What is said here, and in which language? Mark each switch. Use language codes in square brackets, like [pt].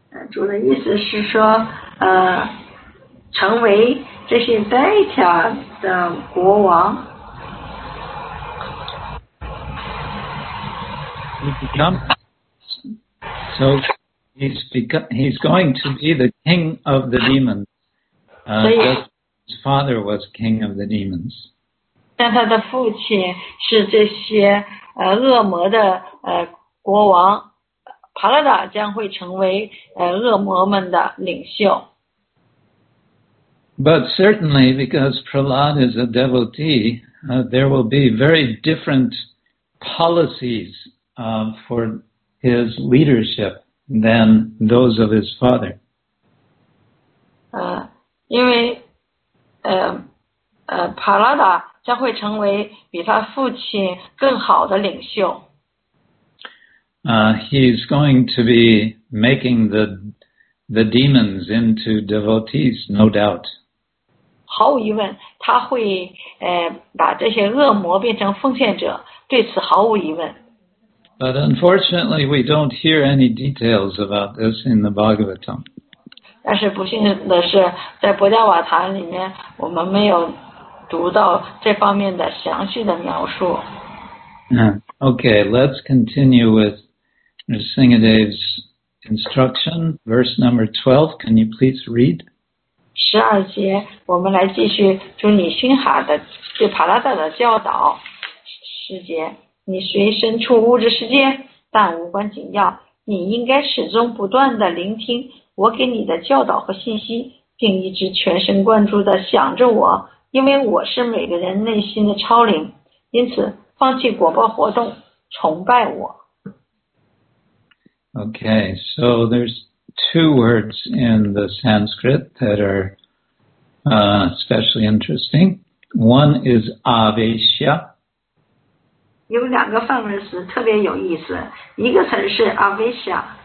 [zh] 主的意思是说成为这些 daitya 的国王。 [en] He's going to be the king of the demons, just as his father was king of the demons. [zh] 但他的父亲是这些恶魔的国王，帕拉达将会成为恶魔们的领袖。 [en] But certainly, because Prahlad is a devotee, there will be very different policies. For his leadership than those of his father. [zh] 因为帕拉达将会成为比他父亲更好的领袖。 [en] He's going to be making the demons into devotees, no doubt. [zh] 毫无疑问，他会把这些恶魔变成奉献者，对此毫无疑问。 [en] But unfortunately, we don't hear any details about this in the Bhagavatam. [zh] 但是不幸的是，在博伽瓦坛里面，我们没有读到这方面的详细的描述。 [en] Okay, let's continue with Nrisingadev's instruction. Verse number 12, can you please read? [zh] 十二节，我们来继续主女星哈的对帕拉达的教导。十节。你虽身处物质世界，但无关紧要。你应该始终不断地聆听我给你的教导和信息，并一直全神贯注地想着我，因为我是每个人内心的超灵。因此，放弃果报活动，崇拜我。 [en] Okay, so there's two words in the Sanskrit that are especially interesting. One is avesha. [zh] 有两个梵文词特别有意思，一个词是 avesha。